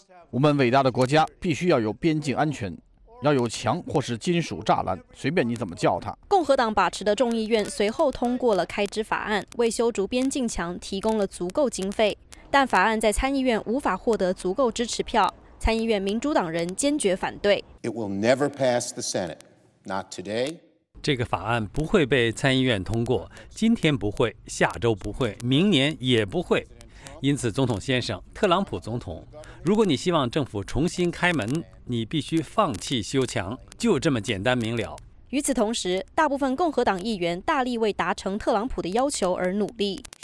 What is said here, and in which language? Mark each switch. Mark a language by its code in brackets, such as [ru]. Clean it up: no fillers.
[zh] 我们伟大的国家必须要有边境安全，要有墙或是金属栅栏，随便你怎么叫它。共和党把持的众议院随后通过了开支法案，为修筑边境墙提供了足够经费，但法案在参议院无法获得足够支持票，参议院民主党人坚决反对。 [en] It will never pass the Senate, not today. [zh] 这个法案不会被参议院通过，今天不会，下周不会，明年也不会。因此，总统先生，特朗普总统，如果你希望政府重新开门，你必须放弃修墙，就这么简单明了。与此同时，大部分共和党议员大力为达成特朗普的要求而努力。